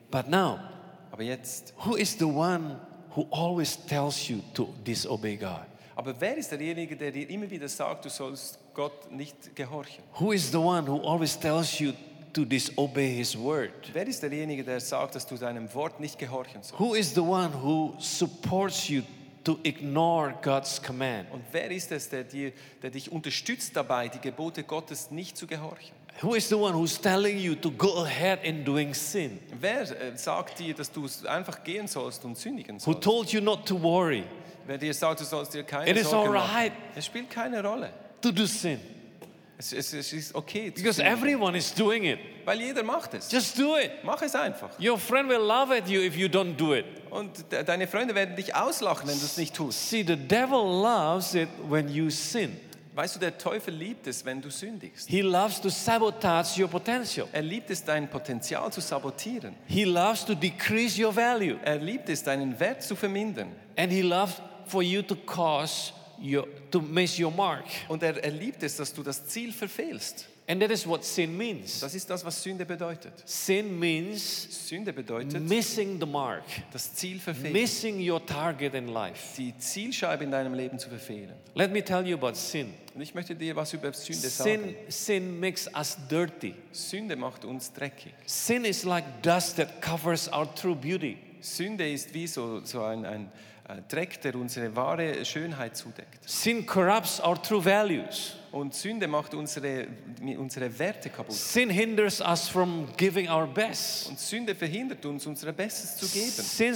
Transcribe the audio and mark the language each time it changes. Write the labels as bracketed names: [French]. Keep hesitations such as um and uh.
[German] aber jetzt, Aber wer ist derjenige, der dir immer wieder sagt, du sollst Gott nicht gehorchen? [English] Who is the one who always tells you to disobey His word? [German] Wer ist derjenige, der sagt, dass du seinem Wort nicht gehorchen sollst? [English] Who is the one who supports you? To ignore God's command. [German] Und wer ist es, der dich unterstützt dabei, die Gebote Gottes nicht zu gehorchen? [English] Who is the one who's telling you to go ahead in doing sin? [German] Wer sagt dir, dass du einfach gehen sollst und sündigen sollst? [English] Who told you not to worry? [German] Wer dir sagt, du sollst dir keine Sorgen machen? [English] It is all right. [German] Es spielt keine Rolle. [English] To do sin. [German] Es, es, es ist okay. [English] Because sin. everyone is doing it. [German] Weil jeder macht es. [English] Just do it. [German] Mach es einfach. [English] Your friend will laugh at you if you don't do it. [German] Und deine Freunde werden dich auslachen, wenn du es nicht tust. [English] See, the devil loves it when you sin. [German] weißt du, der Teufel liebt es, wenn du sündigst. [English] He loves to sabotage your potential. [German] Er liebt es, dein Potenzial zu sabotieren. [English] He loves to decrease your value. [German] Er liebt es, deinen Wert zu vermindern. [English] And he loves for you to cause your, to miss your mark. [German] Und er liebt es, dass du das Ziel verfehlst. [English] And that is what sin means. [German] Das ist das, was Sünde bedeutet. [English] Sin means [German] Sünde bedeutet [English] missing the mark. [German] Das Ziel verfehlen. [English] Missing your target in life. [German] Die Zielscheibe in deinem Leben zu verfehlen. [English] Let me tell you about sin. [German] Und ich möchte dir was über Sünde sagen. [English] Sin, sin makes us dirty. [German] Sünde macht uns dreckig. [English] Sin is like dust that covers our true beauty. [German] Sünde ist wie so so ein ein Dreck, der unsere wahre Schönheit zudeckt. [English] Sin corrupts our true values. [German] Und Sünde macht unsere, unsere Werte kaputt. [English] Sin hinders [German] Und Sünde verhindert uns, unser Bestes zu geben.